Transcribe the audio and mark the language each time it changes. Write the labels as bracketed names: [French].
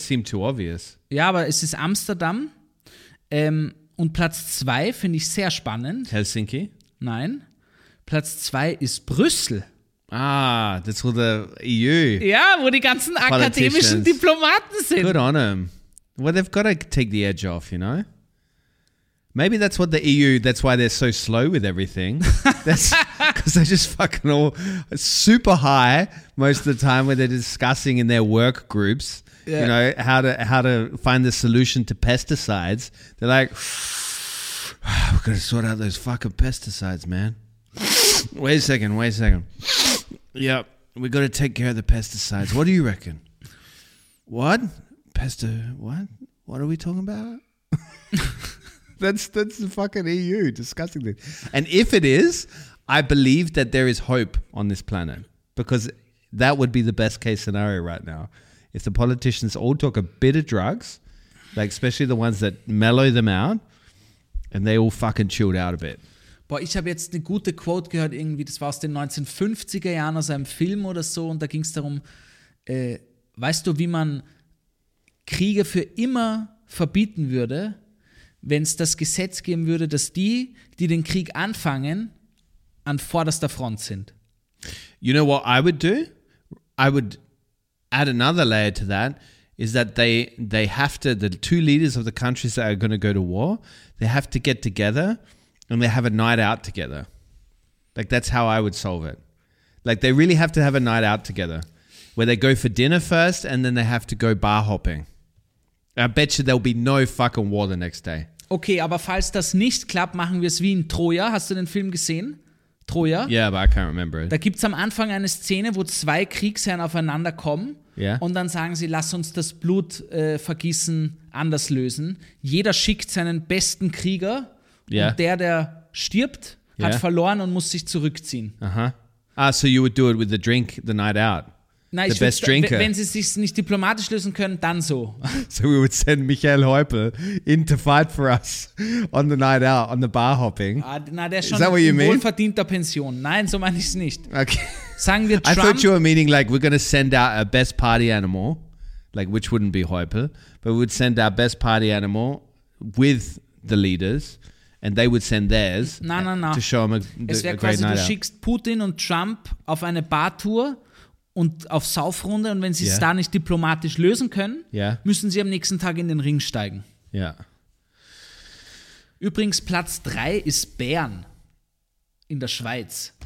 [English] seemed too obvious. [German] Ja, aber es ist Amsterdam. Und Platz 2 finde ich sehr spannend. Helsinki? Nein. Platz 2 ist Brüssel. [English] Ah, that's where the EU. [German] Ja, wo die ganzen akademischen Diplomaten sind. [English] Good on them. Well, they've got to take the edge off, you know? Maybe that's what the EU, that's why they're so slow with everything. That's because they're just fucking all super high most of the time when they're discussing in their work groups, yeah. You know, how to find the solution to pesticides. They're like, we've got to sort out those fucking pesticides, man. Wait a second. Yep, we got to take care of the pesticides. What do you reckon? What? Pesto, what? What are we talking about? That's the fucking EU discussing this. And if it is, I believe that there is hope on this planet because that would be the best case scenario right now. If the politicians all took a bit of drugs, like especially the ones that mellow them out, and they all fucking chilled out a bit. [German] Boah, ich habe jetzt eine gute Quote gehört irgendwie, das war aus den 1950er Jahren, aus einem Film oder so, und da ging es darum, weißt du, wie man Kriege für immer verbieten würde, wenn es das Gesetz geben würde, dass die, die den Krieg anfangen, an vorderster Front sind. [English] You know what I would do? I would add another layer to that, is that they have to, the two leaders of the countries that are going to go to war, they have to get together and they have a night out together. Like that's how I would solve it. Like they really have to have a night out together where they go for dinner first and then they have to go bar hopping. I bet you there'll be no fucking war the next day. [German] Okay, aber falls das nicht klappt, machen wir es wie in Troja. Hast du den Film gesehen? Troja? [English] Yeah, but I can't remember it. [German] Da gibt's am Anfang eine Szene, wo zwei Kriegsherren aufeinander kommen. [English] Yeah. [German] Und dann sagen sie, lass uns das Blut vergießen, anders lösen. Jeder schickt seinen besten Krieger. [English] Yeah. [German] Und der stirbt, hat verloren und muss sich zurückziehen. Aha. [English] Ah, so you would do it with the drink the night out? [German] Na, [English] the best drinker. [German] Wenn sie sich nicht diplomatisch lösen können, dann so. [English] So we would send Michael Häupl in to fight for us on the night out, on the bar hopping. [German] Na, der ist schon in wohlverdienter Pension. Nein, so meine ich es nicht. [English] Okay. [German] Sagen wir Trump. [English] I thought you were meaning like we're going to send out our best party animal, like which wouldn't be Häupl, but we would send our best party animal with the leaders and they would send theirs [German] na. [English] To show them a great night out. [German] Es wäre quasi, du schickst Putin und Trump auf eine Bartour. und auf Saufrunde. Und wenn sie es da nicht diplomatisch lösen können, müssen sie am nächsten Tag in den Ring steigen. Ja. Übrigens, Platz 3 ist Bern in der Schweiz.